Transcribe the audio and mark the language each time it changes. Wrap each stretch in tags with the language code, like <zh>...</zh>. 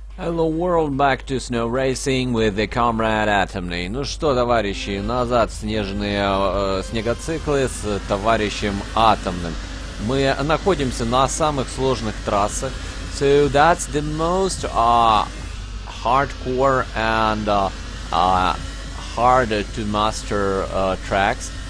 <en>Hello world, back to snow racing with the comrade Atomney.</en> <ru>Ну что, товарищи, назад снежные снегоциклы с товарищем Атомным. Мы находимся на самых сложных трассах.</ru> <en>So that's the most hardcore and hard to master tracks.</en>